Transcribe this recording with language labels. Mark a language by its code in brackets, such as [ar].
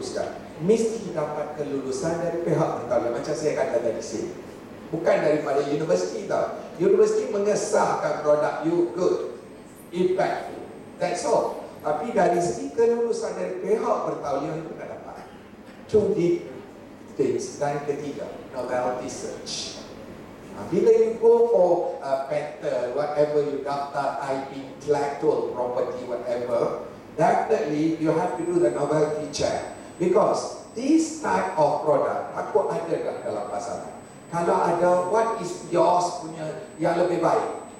[ms] Ustaz, mesti dapat kelulusan dari pihak bertanggungjawab macam saya kata tadi sini. Bukan daripada universiti tau. Universiti mengesahkan produk [en] you good, impactful, that's all. [ms] Tapi dari segi kelulusan dari pihak bertanggungjawab itu tak dapat. Cuma things. Dan ketiga, novelty search. [en] Bila you go for a patent, whatever you daftar, IP, intellectual property, whatever, definitely you have to do the novelty check. Because this type of product, [ms] takut ada tak dalam pasaran? Kalau ada, [en] what is yours [ms] punya yang lebih baik?